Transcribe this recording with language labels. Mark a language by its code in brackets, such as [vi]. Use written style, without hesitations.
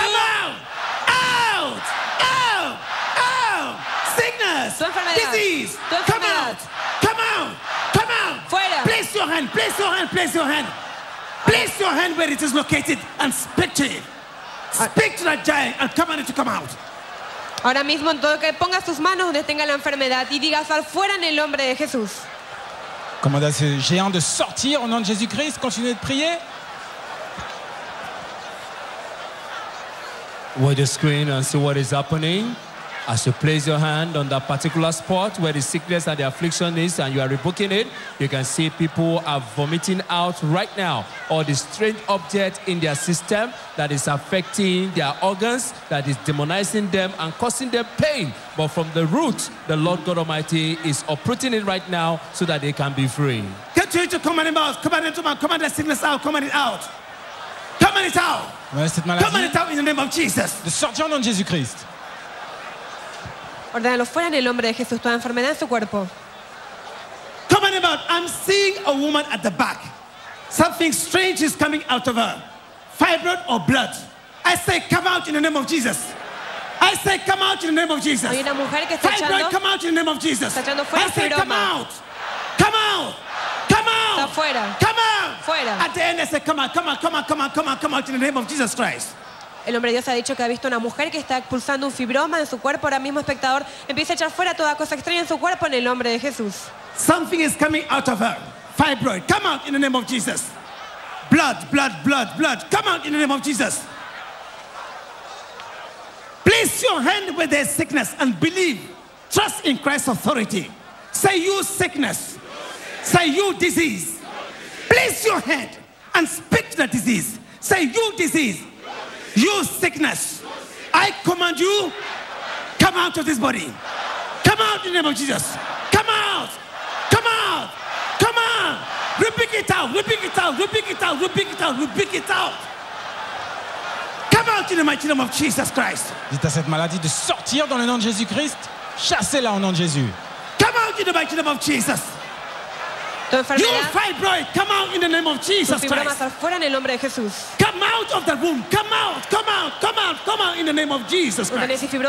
[en] Come out. Out. Out. Out. Sickness. Disease. Come out. Come out. Come out. [es] Fuera. [en] Place your hand. Place your hand. Place your hand. Place your hand where it is located and speak to it. Speak to that giant and command it to come out. [es] Ahora mismo, todo que ponga sus manos donde tenga la enfermedad y diga sal fuera en el nombre de Jesús. [fr] Commande a ce géant de sortir au nom de Jésus-Christ. Continuez de prier. [en] Watch the screen and see what is happening. As you place your hand on that particular spot where the sickness and the affliction is and you are rebuking it, you can see people are vomiting out right now all the strange object in their system that is affecting their organs, that is demonizing them and causing them pain. But from the root, the Lord God Almighty is uprooting it right now so that they can be free. Continue to command him out. Command him to man. Command that sickness out. Command it out. Command it out. Command it out. Command it out in the name of Jesus. [fr] De sortir au nom de Jésus Christ. [es] Ordénalo fuera en el nombre de Jesús toda enfermedad en su cuerpo. [en] Come on about. I'm seeing a woman at the back. Something strange is coming out of her. Fibroid or blood. I say come out in the name of Jesus. I say come out in the name of Jesus. [es] Hay una mujer que está [en] fibroid, [es] echando, [en] come out in the name of Jesus. [es] Está echando fuera [en] I say come out. Come out. Come out. [es] Está fuera. [en] Come out. [es] Fuera. [en] At the end I say come out. Come out. Come out. Come out. Come out. Come out in the name of Jesus Christ. [es] El hombre de Dios ha dicho que ha visto una mujer que está expulsando un fibroma en su cuerpo. Ahora mismo, espectador, empieza a echar fuera toda cosa extraña en su cuerpo en el nombre de Jesús. [en] Something is coming out of her. Fibroid. Come out in the name of Jesus. Blood, blood, blood, blood. Come out in the name of Jesus. Place your hand where there's sickness and believe. Trust in Christ's authority. Say you sickness. Say you disease. Place your hand and speak to the disease. Say you disease. You sickness, I command you, come out of this body. Come out in the name of Jesus. Come out. Come out. Come on. Rebuke it out. Rebuke it out. Rebuke it out. Rebuke it out. Rebuke it out. Come out in the mighty name of Jesus Christ. [fr] Dites à cette maladie de sortir dans le nom de Jésus Christ. Chassez-la au nom de Jésus. [en] Come out in the mighty name of Jesus. You fibroid, come out in the name of Jesus Christ. Come out of the womb. Come out, come out, come out, come out in the name of Jesus Christ.